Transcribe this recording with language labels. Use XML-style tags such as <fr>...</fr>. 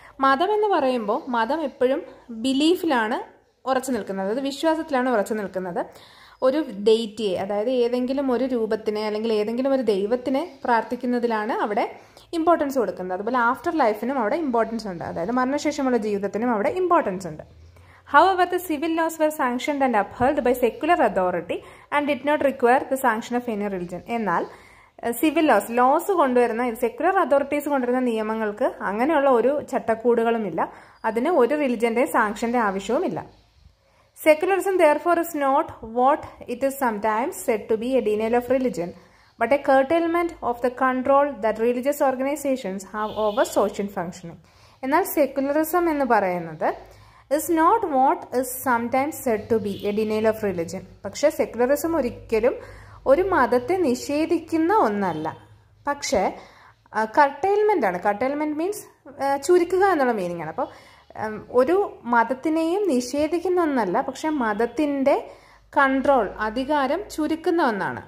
<ml>മതമെന്ന് പറയുമ്പോൾ മതം എപ്പോഴും ബിലീഫിലാണ് ഉറച്ചു നിൽക്കുന്നത്, അത് വിശ്വാസത്തിലാണ് ഉറച്ചു നിൽക്കുന്നത്. ഒരു ഡെയ്റ്റിയെ, അതായത് ഏതെങ്കിലും ഒരു രൂപത്തിനെ അല്ലെങ്കിൽ ഏതെങ്കിലും ഒരു ദൈവത്തിനെ പ്രാർത്ഥിക്കുന്നതിലാണ് അവിടെ ഇമ്പോർട്ടൻസ് കൊടുക്കുന്നത്. അതുപോലെ ആഫ്റ്റർ ലൈഫിനും അവിടെ ഇമ്പോർട്ടൻസ് ഉണ്ട്, അതായത് മരണശേഷമുള്ള ജീവിതത്തിനും അവിടെ ഇമ്പോർട്ടൻസ് ഉണ്ട്.</ml> <en>However, the civil laws were sanctioned and upheld by secular authority and did not require the sanction of any religion.</en> <ml>എന്നാൽ സിവിൽ ലോസ് ലോസ് കൊണ്ടുവരുന്ന സെക്കുലർ അതോറിറ്റീസ് കൊണ്ടുവരുന്ന നിയമങ്ങൾക്ക് അങ്ങനെയുള്ള ഒരു ചട്ടക്കൂടുകളും ഇല്ല, അതിന് ഒരു റിലിജൻ്റെ സാങ്ഷൻ്റെ ആവശ്യവും ഇല്ല.</ml> <en>Secularism therefore is not what it is sometimes said to be, a denial of religion, but a curtailment of the control that religious organizations have over social functioning.</en> <ml>എന്നാൽ സെക്കുലറിസം എന്ന് പറയുന്നത്</ml> <en>is not what is sometimes said to be, a denial of religion.</en> <ml>പക്ഷേ secularism ഒരിക്കലും ഒരു മതത്തെ നിഷേധിക്കുന്ന ഒന്നല്ല, പക്ഷേ കർട്ടെയിൽമെൻ്റ് ആണ്. കർട്ടെയിൽമെൻ്റ് മീൻസ് ചുരുക്കുക എന്നുള്ള മീനിങ് ആണ്. അപ്പോൾ ഒരു മതത്തിനെയും നിഷേധിക്കുന്ന ഒന്നല്ല, പക്ഷേ മതത്തിൻ്റെ കൺട്രോൾ അധികാരം ചുരുക്കുന്ന ഒന്നാണ്.</ml>